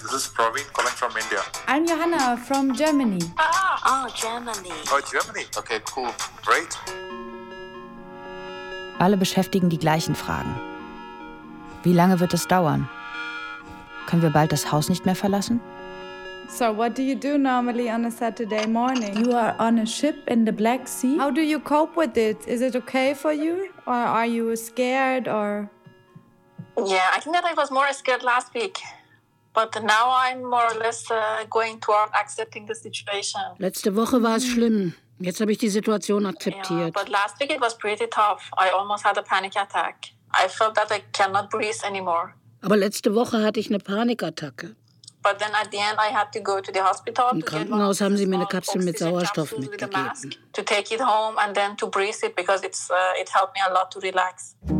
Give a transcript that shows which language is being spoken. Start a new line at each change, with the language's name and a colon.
English: This is Praveen calling from India. I'm Johanna from Germany. Oh, Germany. Oh, Germany. Okay, cool. Great.
German: Alle beschäftigen die gleichen Fragen. Wie lange wird es dauern? Können wir bald das Haus nicht mehr verlassen?
English: So, what do you do normally on a Saturday morning? You are on a ship in the Black Sea. How do you cope with it? Is it okay for you? Or are you scared or... Yeah, I think that I was more scared last week. But now I'm more or less going toward accepting the situation.
German: Letzte Woche war es schlimm. Jetzt habe ich die Situation akzeptiert.
English: Yeah, but last week it was pretty tough. I almost had a panic attack. I felt that I cannot breathe anymore.
German: Aber letzte Woche hatte ich eine Panikattacke.
English: But then at the end I had to go to the hospital.
German: Im Krankenhaus haben sie mir eine Kapsel mit Sauerstoff mitgegeben.
English: To take it home and then to breathe it because it helped me a lot to relax.